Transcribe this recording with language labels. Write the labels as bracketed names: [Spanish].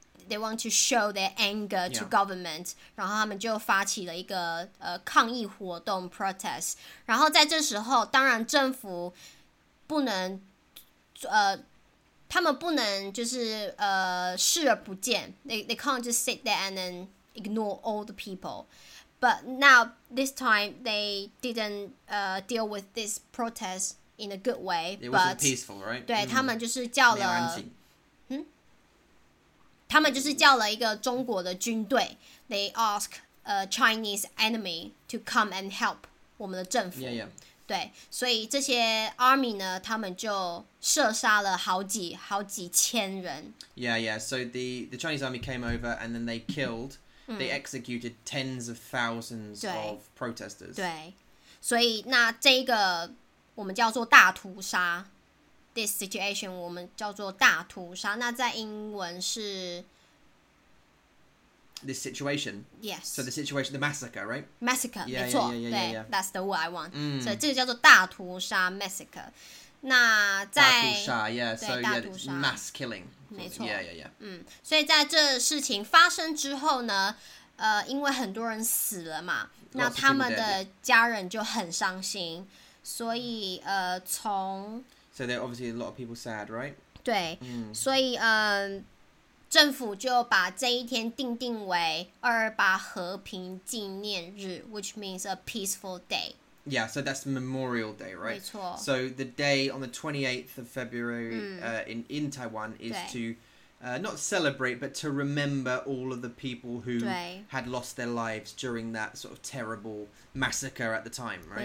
[English] They want to show their anger to government. [Chinese] 然后他们就发起了一个抗议活动 protest. 然后在这时候，当然政府不能他们不能就是视而不见。 [English] They can't just sit there and then. Ignore all the people, but now this time they didn't deal with this protest in a good way. It wasn't peaceful, right? [Chinese] 对，他们就是叫了，他们就是叫了一个中国的军队。 [English] They ask a Chinese enemy to come and help [Chinese] 我们的政府。 [English] Yeah, yeah. [Chinese] 对，所以这些 army 呢，他们就射杀了好几千人。 [English] Yeah, yeah. So the Chinese army came over and then they killed. They executed tens of thousands of protesters. [Chinese] 对，所以那这个我们叫做大屠杀。 [English] This situation [Chinese] 我们叫做大屠杀。那在英文是 [English] this situation. Yes. So the situation, the massacre, right? Massacre. Yeah, [Chinese] 没错。 [English] Yeah. That's the word I want. [Chinese] 所以这个叫做大屠杀 [English] massacre. [Chinese] 那在 [English] 大屠杀 ，yeah. So yeah, mass killing. [Chinese] 没错 [English] yeah. [Chinese] 所以在这事情发生之后呢因为很多人死了嘛那他们的家人就很伤心所以从 [English] So there are obviously a lot of people sad, right? [Chinese] 对、所以政府就把这一天定为28和平纪念日 [English] which means a peaceful day Yeah, so that's Memorial Day, right? [Chinese] 没错。 [English] So the day on the 28th of February in Taiwan is to not celebrate, but to remember all of the people who had lost their lives during that sort of terrible massacre at the time, right?